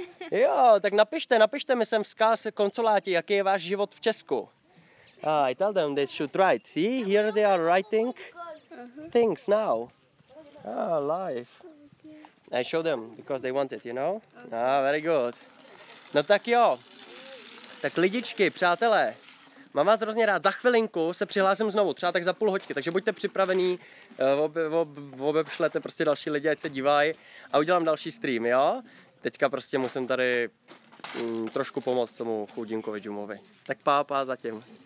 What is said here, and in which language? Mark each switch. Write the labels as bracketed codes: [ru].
[cs] Jo, tak napište mi sem vzkáz konsolátě, jaký je váš život v Česku. [en] I tell them they should write. See, here they are writing things now. Live. I show them because they want it, you know? Okay. Very good. [cs] No tak jo. Tak lidičky, přátelé, mám vás hrozně rád, za chvilinku se přihlásím znovu, třeba tak za půl hoďky, takže buďte připravení, obešlete prostě další lidi, ať se dívají a udělám další stream, jo? Teďka prostě musím tady trošku pomoct tomu chudinkovi Džumovi. Tak pá zatím.